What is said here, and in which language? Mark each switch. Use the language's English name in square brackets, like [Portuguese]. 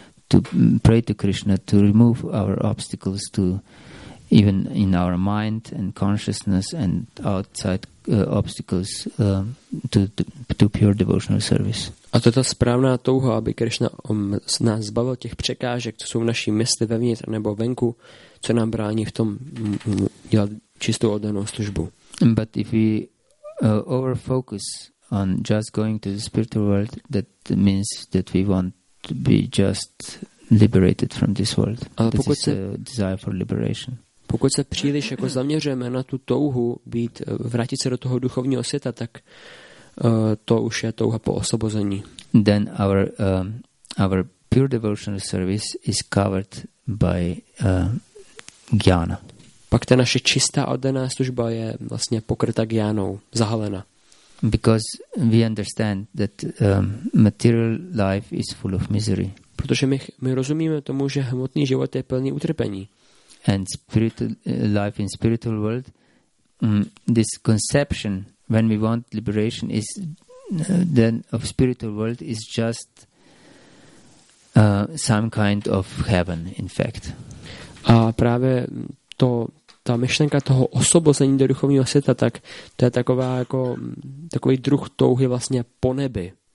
[English] To pray to Krishna to remove our obstacles to even in our mind and consciousness and outside obstacles to pure devotional service. [Czech] A to je ta správná touha, aby Krishna nás zbavil těch překážek, co jsou v naší mysli vevnitř nebo venku, co nám brání v tom dělat čistou oddanou službu. [English] But if we over focus on just going to the spiritual world, that means that we want to be just liberated from this world. [Czech] Ale pokud [English] this is a desire for liberation. [Czech] Pokud se příliš jako zaměřujeme na tu touhu být, vrátit se do toho duchovního světa, tak to už je touha po osvobození. [English] Then our pure devotional service is covered by jnana. [Czech] Pak ta naše čistá oddaná služba je vlastně pokryta jnanou, zahalena. [English] Because we understand that material life is full of misery. [Czech] Protože my rozumíme tomu, že hmotný život je plný utrpení. [English] And spiritual life in spiritual world, this conception when we want liberation is then of spiritual world is just some kind of heaven, in fact. [Czech] A právě to ta myšlenka toho osvobození do duchovního světa, tak to je taková jako takový druh touhy vlastně po nebi.